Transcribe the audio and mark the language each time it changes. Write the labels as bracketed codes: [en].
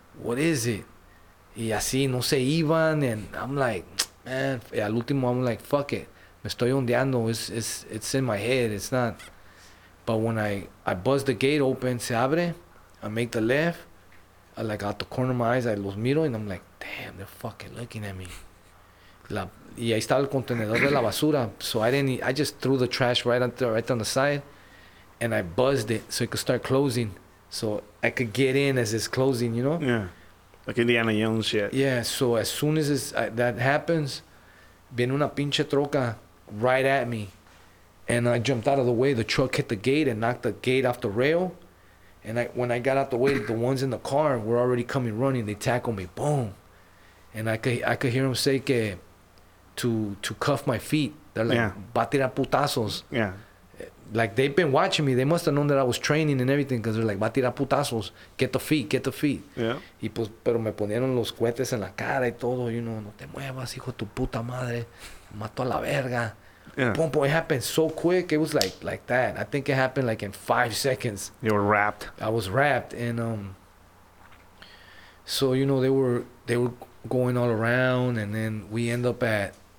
[en] What is it? [es] Y así no se iban. [en] And I'm like, man. [es] Y al último, [en] I'm like, fuck it. [es] Me estoy ondeando. [en] It's in my head. It's not. But when I buzz the gate open, [es] se abre. [en] I make the left. I like out the corner of my eyes, I [es] los miro. [en] And I'm like, damn, they're fucking looking at me. [es] Y ahí estaba el contenedor de la basura. [en] So I just threw the trash right on the side. And I buzzed it so it could start closing. So I could get in as it's closing, you know? Yeah. Like Indiana Jones shit. Yeah. So as soon as that happens, [es] viene una pinche troca [en] right at me. And I jumped out of the way. The truck hit the gate and knocked the gate off the rail. And when I got out the way, the ones in the car were already coming running. They tackled me. Boom. And I could hear them say que to cuff my feet. They're like, [es] va tirar putazos. [en] Yeah. Like, they've been watching me. They must have known that I was training and everything, because they're like, [es] va a tirar putazos. [en] Get the feet. Yeah. [es] Y pues, pero me ponieron los cohetes en la cara y todo. [en] You know, [es] no te muevas, hijo de tu puta madre. Mato a la verga. Yeah. [en] Boom, boom. It happened so quick. It was like that. I think it happened like in 5 seconds. You were wrapped. I was wrapped. And so, you know, they were going all around. And then we end up at